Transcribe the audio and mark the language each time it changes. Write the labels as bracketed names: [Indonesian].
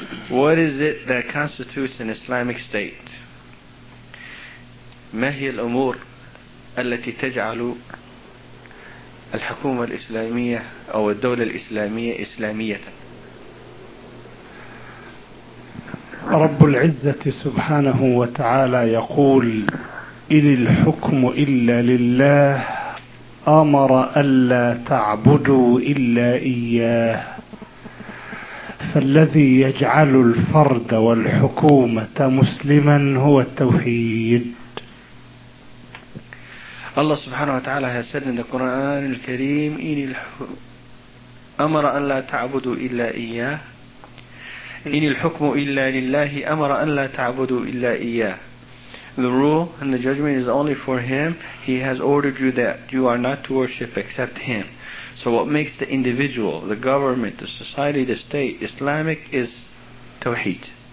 [English] What is it that constitutes an Islamic state? [Arabic] ما هي الأمور التي تجعل الحكومة الإسلامية أو الدولة الإسلامية إسلامية؟ رب العزة سبحانه وتعالى يقول إن الحكم إلا لله أمر ألا تعبدوا إلا إياه فالذي يجعل الفرد والحكومة مسلما هو التوحيد. [English] Allah subhanahu wa ta'ala has said in the Quran al-Kareem, [Arabic] إِنِ الْحُكْمُ أَمَرَ أَنْ لَا تَعْبُدُوا إِلَّا إِيَّاهِ إِنِ الْحُكْمُ إِلَّا لِلَّهِ أَمَرَ أَنْ لَا تَعْبُدُوا إِلَّا إِيَّاهِ. [English] The rule and the judgment is only for Him. He has ordered you that you are not to worship except Him. So what makes the individual, the government, the society, the state, Islamic is Tawheed.